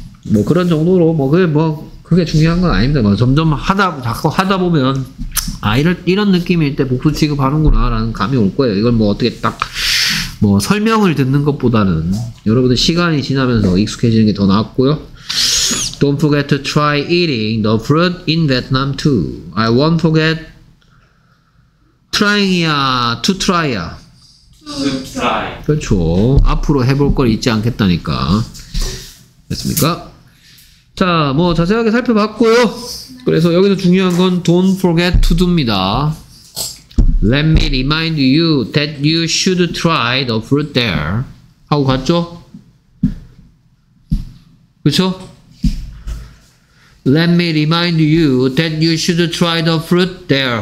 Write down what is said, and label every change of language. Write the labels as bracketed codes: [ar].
[ko] 뭐 그런 정도로 뭐 그게 중요한 건 아닙니다. 뭐 점점 자꾸 하다 보면 아 이런 느낌일 때 복수 취급하는구나라는 감이 올 거예요. 이걸 뭐 어떻게 딱 뭐 설명을 듣는 것보다는 여러분들 시간이 지나면서 익숙해지는 게 더 낫고요. [en] Don't forget to try eating the fruit in Vietnam too. I won't forget trying이야, to try야. To try. [ko] 그렇죠. 앞으로 해볼 걸 잊지 않겠다니까. 됐습니까? 자, 뭐 자세하게 살펴봤고요. 그래서 여기서 중요한 건 [en] don't forget to do [ko] 입니다. [en] Let me remind you that you should try the fruit there. [ko] 하고 갔죠? 그쵸? [en] Let me remind you that you should try the fruit there.